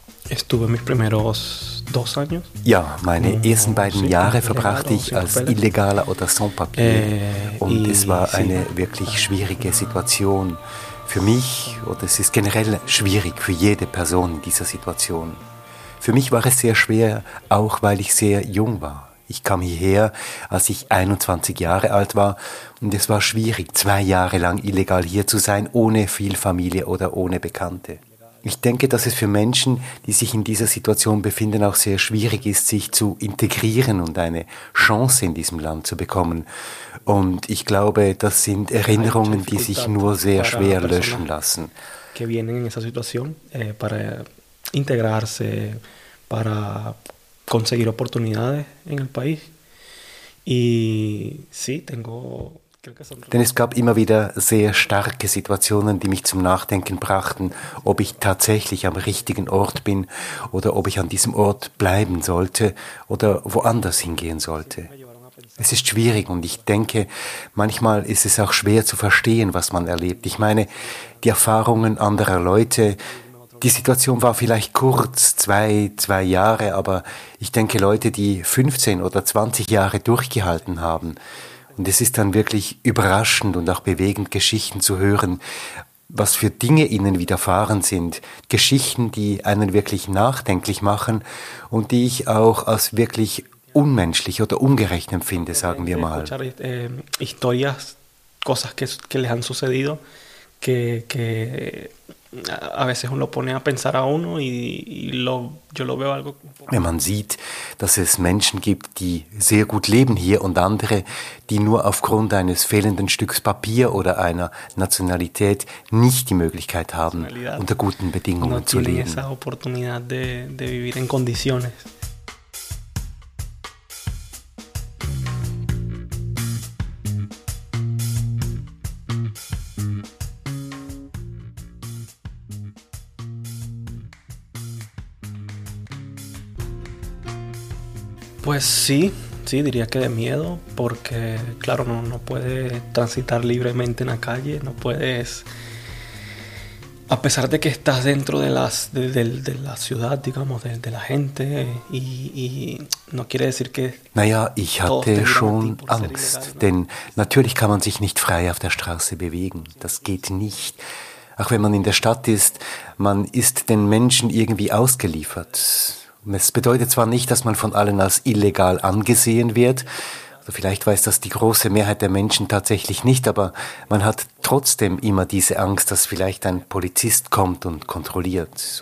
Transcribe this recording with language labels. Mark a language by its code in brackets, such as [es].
[es] Estuve mis primeros dos años. [de] Ja, meine ersten beiden Jahre verbrachte ich als Illegaler oder Sans-Papier. Und es war eine wirklich schwierige Situation für mich. Und es ist generell schwierig für jede Person in dieser Situation. Für mich war es sehr schwer, auch weil ich sehr jung war. Ich kam hierher, als ich 21 Jahre alt war. Und es war schwierig, 2 Jahre lang illegal hier zu sein, ohne viel Familie oder ohne Bekannte. Ich denke, dass es für Menschen, die sich in dieser Situation befinden, auch sehr schwierig ist, sich zu integrieren und eine Chance in diesem Land zu bekommen. Und ich glaube, das sind Erinnerungen, die sich nur sehr schwer löschen lassen. [es] Que vienen en esa situación para integrarse, para conseguir oportunidades en el país. Y sí, tengo. [de] Denn es gab immer wieder sehr starke Situationen, die mich zum Nachdenken brachten, ob ich tatsächlich am richtigen Ort bin oder ob ich an diesem Ort bleiben sollte oder woanders hingehen sollte. Es ist schwierig und ich denke, manchmal ist es auch schwer zu verstehen, was man erlebt. Ich meine, die Erfahrungen anderer Leute, die Situation war vielleicht kurz, 2 Jahre, aber ich denke, Leute, die 15 oder 20 Jahre durchgehalten haben, und es ist dann wirklich überraschend und auch bewegend, Geschichten zu hören, was für Dinge ihnen widerfahren sind. Geschichten, die einen wirklich nachdenklich machen und die ich auch als wirklich unmenschlich oder ungerecht empfinde, sagen wir mal. [es] Historias, cosas que les han sucedido, que a veces uno pone a pensar a uno y lo, yo lo veo algo. [de] Wenn man sieht, dass es Menschen gibt, die sehr gut leben hier und andere, die nur aufgrund eines fehlenden Stücks Papier oder einer Nationalität nicht die Möglichkeit haben, unter guten Bedingungen zu leben. [es] No tienen esa oportunidad de vivir en condiciones. Pues sí, sí, diría que de miedo, porque claro, no puedes transitar libremente en la calle, no puedes, a pesar de que estás dentro de las de la ciudad, digamos, de la gente, y no quiere decir que. [de] Naja, ich hatte schon Angst, legal, ¿no? Denn natürlich kann man sich nicht frei auf der Straße bewegen, das geht nicht. Auch wenn man in der Stadt ist, man ist den Menschen irgendwie ausgeliefert. Es bedeutet zwar nicht, dass man von allen als illegal angesehen wird, also vielleicht weiß das die große Mehrheit der Menschen tatsächlich nicht, aber man hat trotzdem immer diese Angst, dass vielleicht ein Polizist kommt und kontrolliert.